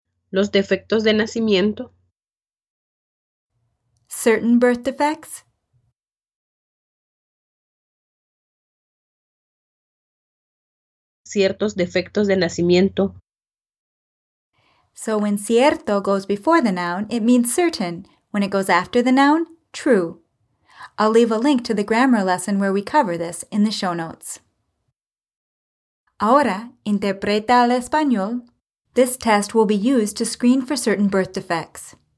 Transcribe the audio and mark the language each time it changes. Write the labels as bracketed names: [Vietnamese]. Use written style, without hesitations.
[Spanish] Los defectos de nacimiento. [English] Certain birth defects? [Spanish] Ciertos defectos de nacimiento. [English] So when cierto goes before the noun, it means certain. When it goes after the noun, true. I'll leave a link to the grammar lesson where we cover this in the show notes. [Spanish] Ahora, interpreta al español. [English] This test will be used to screen for certain birth defects.